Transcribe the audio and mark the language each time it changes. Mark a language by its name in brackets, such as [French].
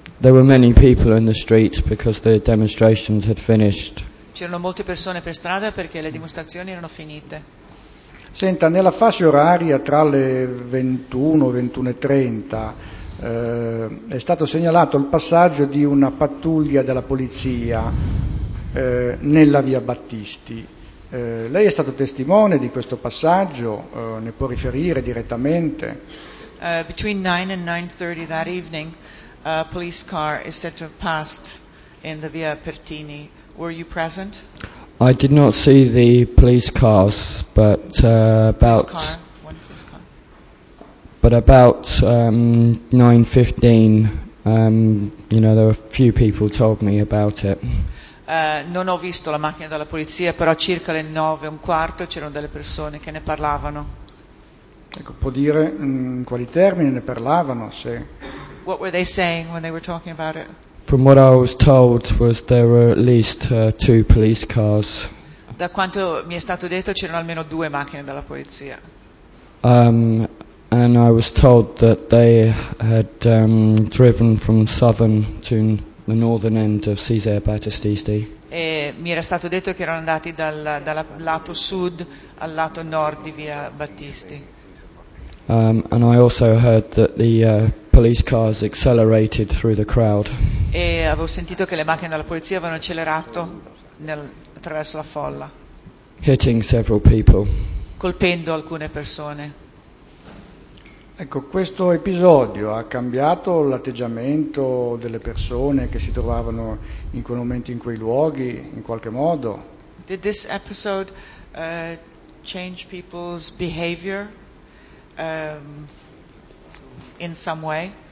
[English] There were many people in the street because the demonstrations had finished. [Italian] C'erano molte persone per strada perché le dimostrazioni erano finite. Senta, nella fascia oraria tra le 21:30 è stato segnalato il passaggio di una pattuglia della polizia nella via Battisti. Lei è stato testimone di questo passaggio, ne può riferire direttamente? [English] Between 9 and 9:30 that evening, a police car is said to have passed in the Via Pertini. Were you present? I did not see the police cars, but about police car. One police car. But about 9:15, you know, there were a few people told me about it. [Italian] Non ho visto la macchina della polizia, però circa le 9:15 c'erano delle persone che ne parlavano. Ecco, può dire in quali termini ne parlavano, se. [English] What were they saying when they were talking about it? From what I was told was there were at least two police cars. [Italian] Da quanto mi è stato detto c'erano almeno due macchine della polizia. [English] And I was told that they had driven from southern to the northern end of Cesare Battististi. [Italian] E mi era stato detto che erano andati dal lato sud al lato nord di via Battisti. [English] And I also heard that the police cars accelerated through the crowd. [Italian] E avevo sentito che le macchine della polizia avevano accelerato attraverso la folla. [English] Hitting several people. [Italian] Colpendo alcune persone. Ecco, questo episodio ha cambiato l'atteggiamento delle persone che si trovavano in quel momento in quei luoghi, in qualche modo? [English] Did this episode change people's behavior in some way?